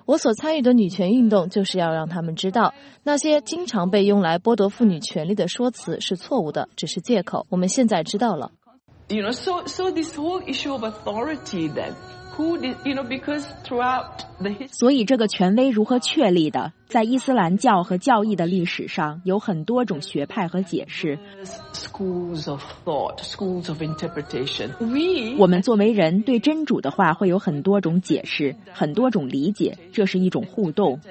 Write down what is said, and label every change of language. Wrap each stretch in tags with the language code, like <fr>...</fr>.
<zh>我所参与的女权运动就是要让他们知道，那些经常被用来剥夺妇女权利的说辞是错误的，只是借口。我们现在知道了。</zh> <en>You know, so this whole issue of authority then, who did, you know, because throughout the history.</en> <zh>所以这个权威如何确立的？在伊斯兰教和教义的历史上，有很多种学派和解释。</zh> <en>Schools of thought, schools of interpretation.</en> <zh>我们作为人对真主的话会有很多种解释，很多种理解，这是一种互动。</zh>